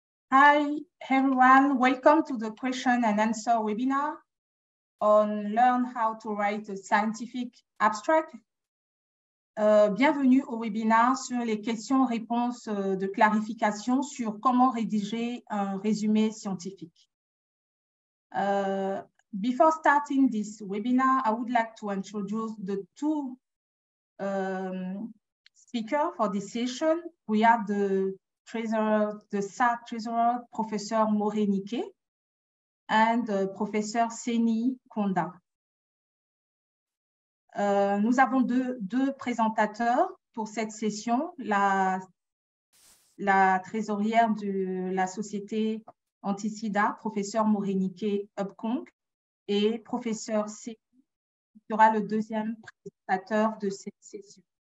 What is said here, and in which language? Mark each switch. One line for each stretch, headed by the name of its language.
English: Welcome to the question and answer webinar on learn how to write a scientific abstract.
French: Bienvenue au webinar sur les questions-réponses de clarification sur comment rédiger un résumé scientifique.
English: Before starting this webinar, I would like to introduce the two speakers for this session. We have the SAR treasurer, Professor Morenike, and Professor Seni Konda.
French: Nous avons deux présentateurs pour cette session, la trésorière de la société Anticida, Professor Morenike Upkong, et Professor Seni, qui sera le deuxième présentateur de cette session.